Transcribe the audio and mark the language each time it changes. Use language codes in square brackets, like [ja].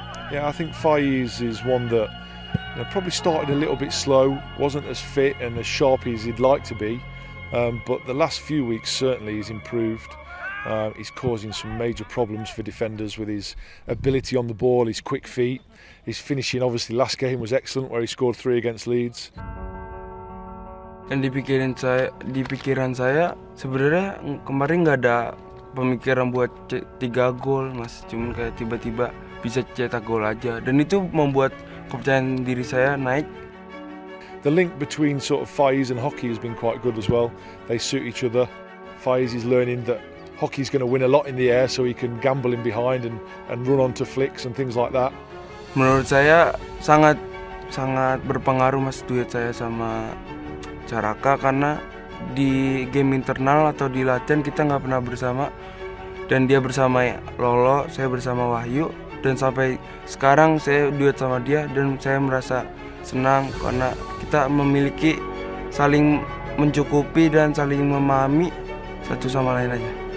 [en] Yeah, I think Faiz is one that, you know, probably started a little bit slow, wasn't as fit and as sharp as he'd like to be. But the last few weeks certainly he's improved. He's causing some major problems for defenders with his ability on the ball, his quick feet, his finishing. Obviously last game was excellent where he scored 3 against Leeds. [id] Dan di pikiran saya sebenarnya kemarin nggak ada pemikiran buat 3 gol, Mas. Cuman kayak tiba-tiba bisa cetak gol aja, dan itu membuat kepercayaan diri saya naik. [en] The link between sort of Faiz and hockey has been quite good as well. They suit each other. Faiz is learning that hockey's going to win a lot in the air, so he can gamble in behind and run onto flicks and things like that. [id] Menurut saya sangat sangat berpengaruh mas duet saya sama Caraka karena di game internal atau di latihan kita nggak pernah bersama dan dia bersama Lolo, saya bersama Wahyu dan sampai sekarang saya duet sama dia dan saya merasa senang karena kita memiliki saling mencukupi dan saling memahami satu sama lain aja.